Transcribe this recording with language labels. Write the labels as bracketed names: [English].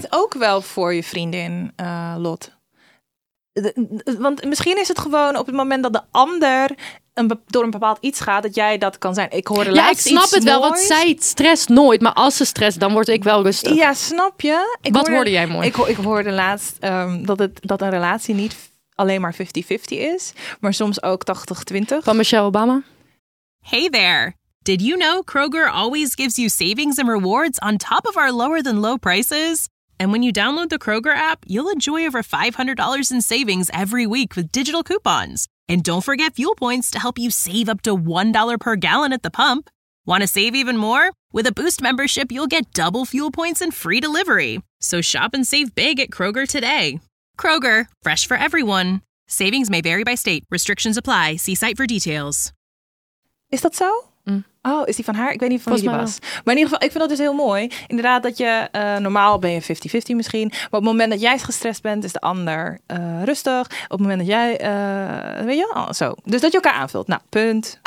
[Dutch] Het ook wel voor je vriendin, Lot. Want misschien is het gewoon op het moment dat de ander door een bepaald iets gaat, dat jij dat kan zijn. Ik hoorde laatst iets Ja, ik snap het moois. Wel, want zij stresst nooit. Maar als ze stresst, dan word ik wel rustig. Ja, snap je? Hoorde jij mooi? Ik hoorde laatst dat een relatie niet alleen maar 50-50 is, maar soms ook 80-20. Van Michelle Obama. [English] Hey there. Did you know Kroger always gives you savings and rewards on top of our lower than low prices? And when you download the Kroger app, you'll enjoy over $500 in savings every week with digital coupons. And don't forget fuel points to help you save up to $1 per gallon at the pump. Want to save even more? With a Boost membership, you'll get double fuel points and free delivery. So shop and save big at Kroger today. Kroger, fresh for everyone. Savings may vary by state. Restrictions apply. See site for details. [Dutch] Is dat zo? Oh, is die van haar? Ik weet niet van wie die was. Maar in ieder geval, ik vind dat dus heel mooi. Inderdaad, dat je normaal ben je 50-50 misschien. Maar op het moment dat jij gestrest bent, is de ander rustig. Op het moment dat jij, weet je wel, zo. Dus dat je elkaar aanvult. Nou, punt.